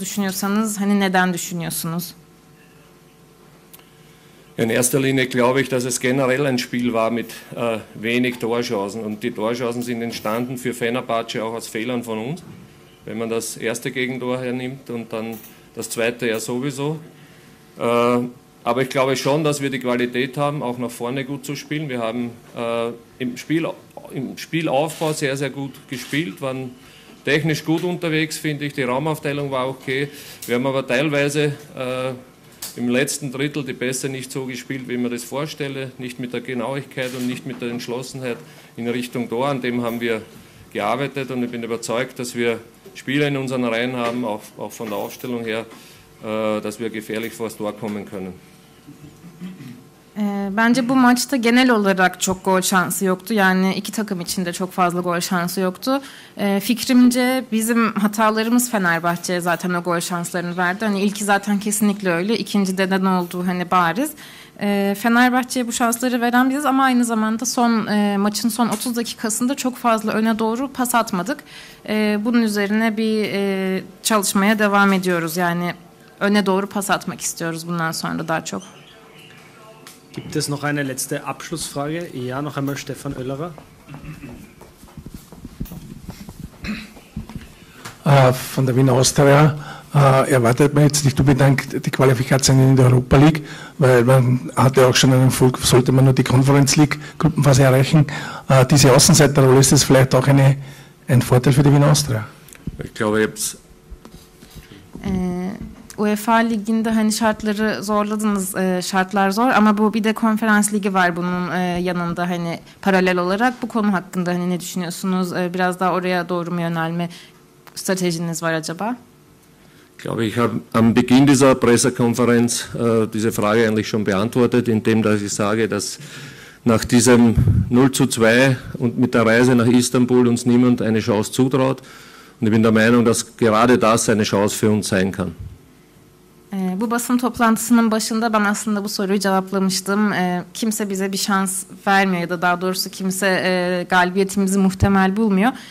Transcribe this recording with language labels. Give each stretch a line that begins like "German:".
Turkish: Düşünüyorsanız hani neden düşünüyorsunuz?
German: In erster Linie glaube ich, dass es generell ein Spiel war mit wenig Torchancen. Und die Torchancen sind entstanden für Fenerbahçe auch aus Fehlern von uns. Wenn man das erste Gegentor hernimmt und dann das zweite ja sowieso. Aber ich glaube schon, dass wir die Qualität haben, auch nach vorne gut zu spielen. Wir haben im Spielaufbau sehr, sehr gut gespielt, waren technisch gut unterwegs, finde ich. Die Raumaufteilung war okay. Wir haben aber teilweise im letzten Drittel die Pässe nicht so gespielt, wie man das vorstelle. Nicht mit der Genauigkeit und nicht mit der Entschlossenheit in Richtung Tor. An dem haben wir gearbeitet und ich bin überzeugt, dass wir Spieler in unseren Reihen haben, auch von der Aufstellung her, dass wir gefährlich vor das Tor kommen können.
Turkish: Bence bu maçta genel olarak çok gol şansı yoktu. Yani iki takım için de çok fazla gol şansı yoktu. Fikrimce bizim hatalarımız Fenerbahçe'ye zaten o gol şanslarını verdi. Hani ilki zaten kesinlikle öyle. İkincide de ne olduğu hani bariz. Fenerbahçe'ye bu şansları veren biziz ama aynı zamanda maçın son 30 dakikasında çok fazla öne doğru pas atmadık. Bunun üzerine bir çalışmaya devam ediyoruz. Yani öne doğru pas atmak istiyoruz bundan sonra daha çok.
German: Gibt es noch eine letzte Abschlussfrage? Ja, noch einmal Stefan Oellerer. Von der Wiener Austria erwartet man jetzt nicht unbedingt die Qualifikation in der Europa League, weil man hatte auch schon einen Erfolg, sollte man nur die Conference League Gruppenphase erreichen. Diese Außenseiterrolle, ist das vielleicht auch ein Vorteil für die Wiener Austria? Ich glaube, ich habe es...
Turkish: UEFA Ligi'nde hani şartları zorladınız, şartlar zor ama bu bir de konferans ligi var bunun yanında hani paralel olarak. Bu konu hakkında hani ne düşünüyorsunuz? Biraz daha oraya doğru mu yönelme stratejiniz var acaba?
German: Glaube ich habe am Beginn dieser Pressekonferenz diese Frage eigentlich schon beantwortet, indem dass ich sage, dass nach diesem 0:2 und mit der Reise nach Istanbul uns niemand eine Chance zutraut. Und ich bin der Meinung, dass gerade das eine Chance für uns sein kann.
Turkish: Bu basın toplantısının başında ben aslında bu soruyu cevaplamıştım. Kimse bize bir şans vermiyor ya da daha doğrusu kimse galibiyetimizi muhtemel bulmuyor.